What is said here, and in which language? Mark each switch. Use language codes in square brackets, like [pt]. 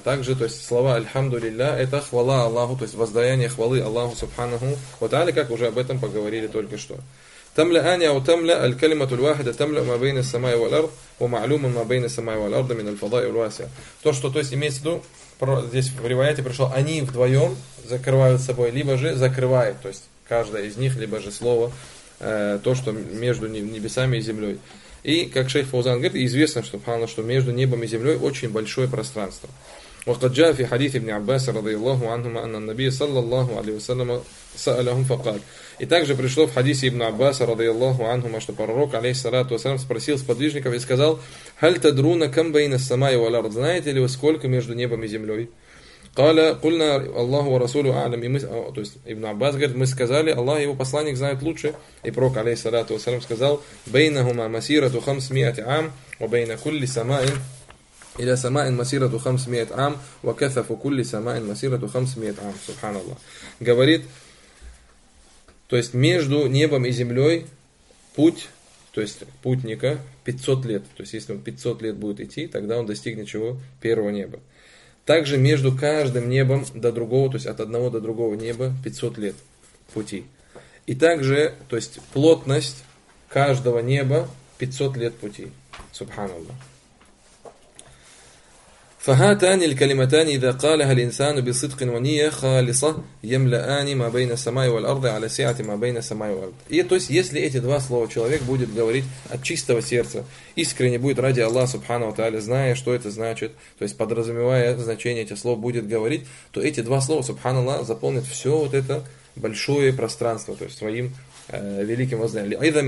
[ru] Также, то есть слова «Альхамду лилля» – это хвала Аллаху, то есть воздаяние хвалы Аллаху Субханаху. Вот али, как уже об этом поговорили только что. [ar] تملأني أو تملأ الكلمة الواحدة تملأ ما بين السماء والأرض ومعلوم ما بين السماء والأرض من الفضاء الواسع. [ru] То что, то есть имеется в виду, здесь в риваяте пришло, они вдвоем закрывают собой, либо же закрывает, то есть каждая из них, либо же слово, то, что между небесами и землей. И, как шейх Фаузан говорит, известно, субханаллах, что между небом и землей очень большое пространство. [ar] وقد جاء في حديث ابن عباس رضي الله عنهما أن النبي صلى الله عليه وسلم سألهم فقال. [ru] И также пришло в хадисе ابن عباس رضي الله عنهما, что пророк عليه الصلاة والسلام спросил сподвижников и сказал: [ar] هل تدرون كم بين السماء والأرض, [ru] знаете ли вы сколько между небом и землей? [ar] قال قلنا الله ورسوله أعلم. [ru] И мы, то есть ابن عباس говорит, мы сказали, Аллах и его посланник знают лучше. И пророк [ar] عليه الصلاة والسلام [ru] сказал: [ar] بينهما مسيرة 500 عام وبين كل سماء إلى سماء مسيرة 500 عام وكثف كل سماء مسيرة 500 عام. سبحان الله. [ru] Говорит, то есть между небом и землей путь, то есть путника 500 лет. То есть если он 500 лет будет идти, тогда он достигнет чего? Первого неба. Также между каждым небом до другого, то есть от одного до другого неба 500 лет пути. И также, то есть плотность каждого неба 500 лет пути. Субхан Аллах. [ar] فهاتان الكلمتان إذا قالها الإنسان بصدق ونية خالصة يملأان ما بين السماء والأرض على سعة ما بين السماء والأرض. [ru] И то есть, если эти два слова человек будет говорить от чистого сердца, искренне будет ради Аллаха Субхана ва Тааля, зная, что это значит, то есть подразумевая значение этих слов, будет говорить, то эти два слова, Субхана Аллах, заполнят все вот это большое пространство, то есть своим великим воздаянием.